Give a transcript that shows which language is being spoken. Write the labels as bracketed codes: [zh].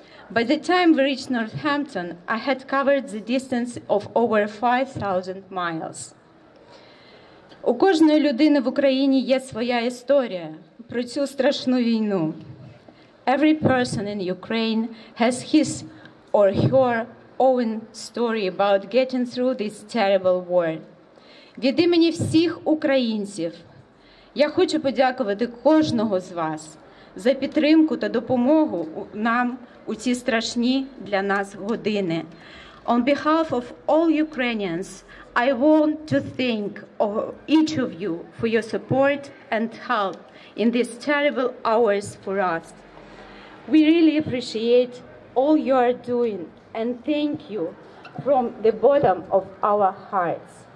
[en] By the time we reached Northampton, I had covered the distance of over 5,000 miles. [uk] У кожної людини в Україні є своя історія про цю страшну війну. [en] Every person in Ukraine has his or her own story about getting through this terrible war. [uk] Від імені всіх українців я хочу подякувати кожного з вас за підтримку та допомогу нам у ці страшні для нас години. [en] On behalf of all Ukrainians, I want to thank each of you for your support and help in these terrible hours for us. We really appreciate all you are doing and thank you from the bottom of our hearts.